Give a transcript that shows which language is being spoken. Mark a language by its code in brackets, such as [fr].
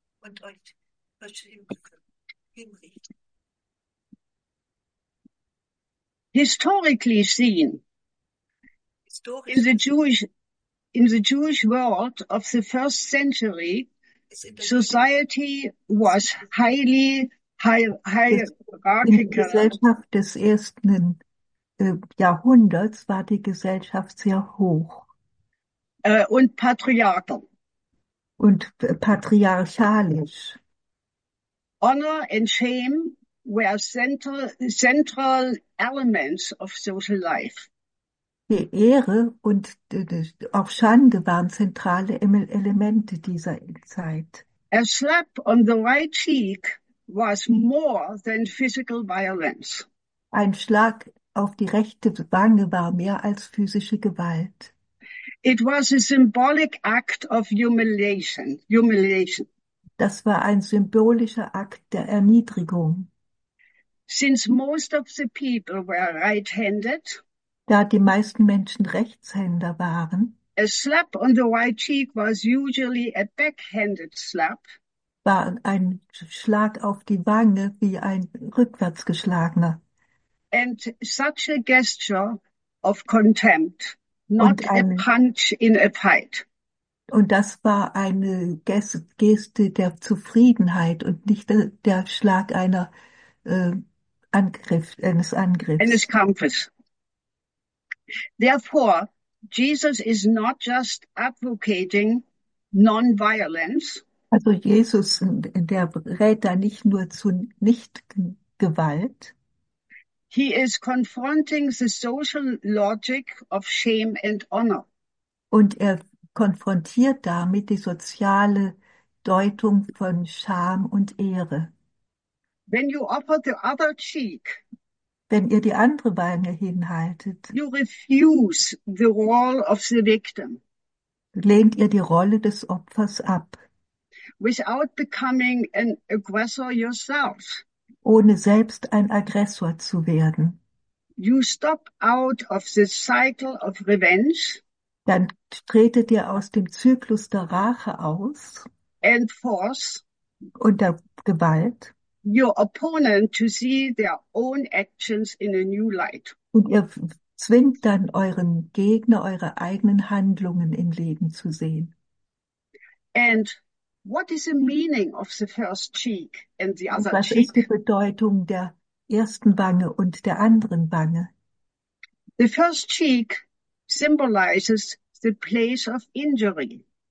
[de] Und euch verschimpfen, hinrichten. [en] Historically seen, [de] Historisch gesehen, [en] in the Jewish world of the first century, society was highly [de] in [en] hierarchical. [de] der Gesellschaft des ersten Jahrhunderts war die Gesellschaft sehr hoch Und patriarchal. und patriarchalisch. [en] Honor and shame were central elements of social life. [de] Die Ehre und auch Schande waren zentrale Elemente dieser Zeit. [en] A slap on the right cheek was more than physical violence. [de] Ein Schlag auf die rechte Wange war mehr als physische Gewalt. [en] It was a symbolic act of humiliation. [de] Das war ein symbolischer Akt der Erniedrigung. [en] Since most of the people were right-handed, [de] Da die meisten Menschen Rechtshänder waren, [en] a slap on the right cheek was usually a backhanded slap. [de] war ein Schlag auf die Wange wie ein rückwärtsgeschlagener. [en] And such a gesture of contempt, not [de] Und [en] a [de] eine, [en] punch in a fight. [de] Und das war eine Geste der Zufriedenheit und nicht der Schlag einer Angriff, eines Angriffs. Kampfes. [en] Therefore, Jesus is not just advocating non-violence. [de] Also Jesus, der rät da nicht nur zu Nichtgewalt. [en] He is confronting the social logic of shame and honor. [de] Und er konfrontiert damit die soziale Deutung von Scham und Ehre. [en] When you offer the other cheek, [de] Wenn ihr die andere Wange hinhaltet, [en] you refuse the role of the victim [de] lehnt ihr die Rolle des Opfers ab, [en] without becoming an aggressor yourself. [de] ohne selbst ein Aggressor zu werden. [en] You stop out of the cycle of revenge [de] Dann tretet ihr aus dem Zyklus der Rache aus [en] and force [de] und der Gewalt [en] your opponent to see their own actions in a new light. [de] und ihr zwingt dann euren Gegner, eure eigenen Handlungen im Leben zu sehen. [en] And what is the meaning of the first cheek and the [de] Und [en] other [de] was ist die [en] cheek? [de] Bedeutung der ersten Wange und der anderen Wange? [en] The first cheek symbolizes the place of injury.